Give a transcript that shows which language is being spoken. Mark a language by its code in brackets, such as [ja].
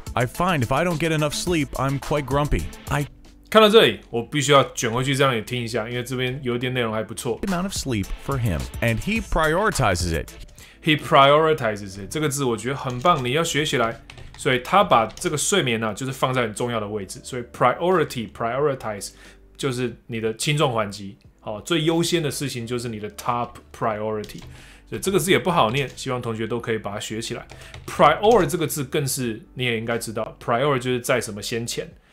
[en] I find if I don't get enough sleep, I'm quite grumpy." [zh] 看到这里，我必须要卷回去这样也听一下，因为这边有点内容还不错。 [en] Amount of sleep for him, and he prioritizes it. He prioritizes it. [zh] 这个字我觉得很棒，你要学起来。所以他把这个睡眠呢、啊，就是放在很重要的位置。所以 prioritize 就是你的轻重缓急。好，最优先的事情就是你的 top priority。所以这个字也不好念，希望同学都可以把它学起来。Prior 这个字更是你也应该知道 ，prior 就是在什么先前。